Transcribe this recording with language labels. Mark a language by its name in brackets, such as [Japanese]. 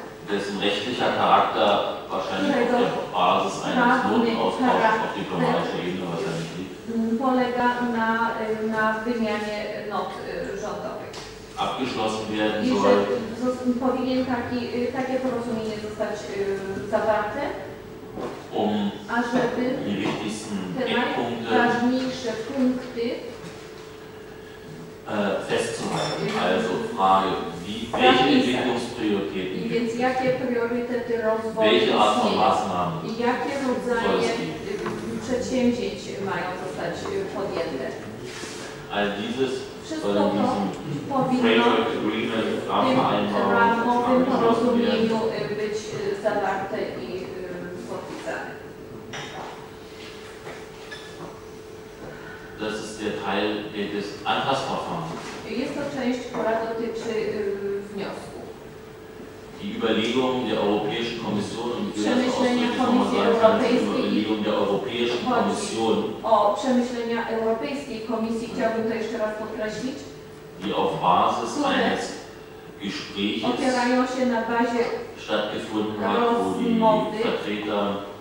[German] dessen rechtlicher Charakter wahrscheinlich auf der Basis eines Notaustauschs auf diplomatischer Ebene wahrscheinlich liegt. [Polish] Polega na wymianie not rządowych. [German] Abgeschlossen werden soll. [Polish] Powinien takie porozumienie zostać zawarte, ażeby te najważniejsze punkty [German] festzuhalten. Also Frage, welche Entwicklungsprioritäten gibt es? [Polish] Jakie priorytety rozwoju? [German] Welche Art von Maßnahmen? [Polish] Jakie rodzaje przedsięwzięć mają zostać podjęte? Wszystko to powinno w tym porozumieniu być zawarte i podpisane. [German] Das ist der Teil des Antragsverfahrens. [Polish] Jest to część, która dotyczy wniosku. [German] Die Überlegung der Europäischen Kommission und [Polish] Przemyślenia Komisji Europejskiej. [German] Überlegung der Europäischen Kommission. [Polish] O przemyślenia Europejskiej Komisji chciałbym to jeszcze raz podkreślić. [German] Die auf Basis eines Gespräches stattgefunden hat, wo die Vertreter